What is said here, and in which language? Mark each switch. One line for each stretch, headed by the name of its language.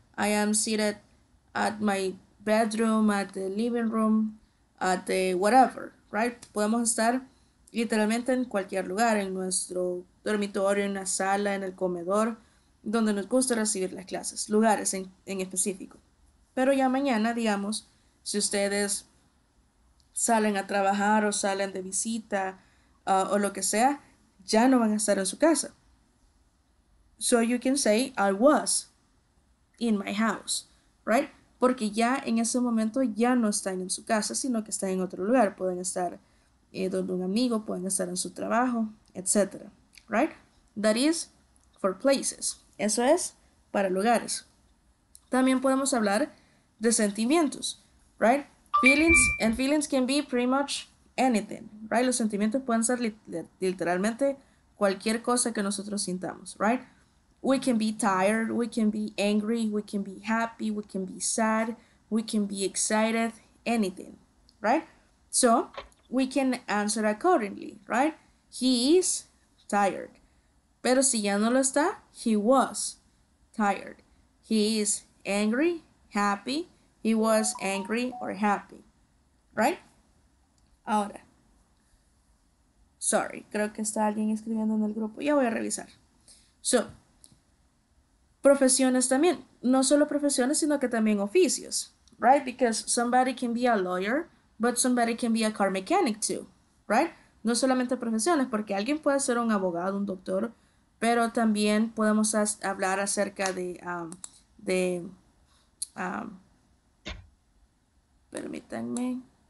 English: I am seated at my bedroom, at the living room, at the whatever, right?
Spanish: Podemos estar literalmente en cualquier lugar, en nuestro dormitorio, en la sala, en el comedor, donde nos gusta recibir las clases, lugares en específico. Pero ya mañana, digamos, si ustedes salen a trabajar o salen de visita o lo que sea, ya no van a estar en su casa.
English: So you can say, I was in my house, right?
Spanish: Porque ya en ese momento ya no están en su casa, sino que están en otro lugar. Pueden estar donde un amigo, pueden estar en su trabajo, etc.
English: Right? That is for places.
Spanish: Eso es para lugares. También podemos hablar de sentimientos, right?
English: Feelings, and feelings can be pretty much anything, right?
Spanish: Los sentimientos pueden ser literalmente cualquier cosa que nosotros sintamos, right?
English: We can be tired, we can be angry, we can be happy, we can be sad, we can be excited, anything, right? So, we can answer accordingly, right? He is tired.
Spanish: Pero si ya no lo está,
English: he was tired. He is angry, happy, he was angry or happy, right?
Spanish: Ahora, sorry, creo que está alguien escribiendo en el grupo. Ya voy a revisar. So, profesiones también. No solo profesiones, sino que también oficios, right?
English: Because somebody can be a lawyer, but somebody can be a car mechanic too, right?
Spanish: No solamente profesiones, porque alguien puede ser un abogado, un doctor, pero también podemos hablar acerca de, permítanme.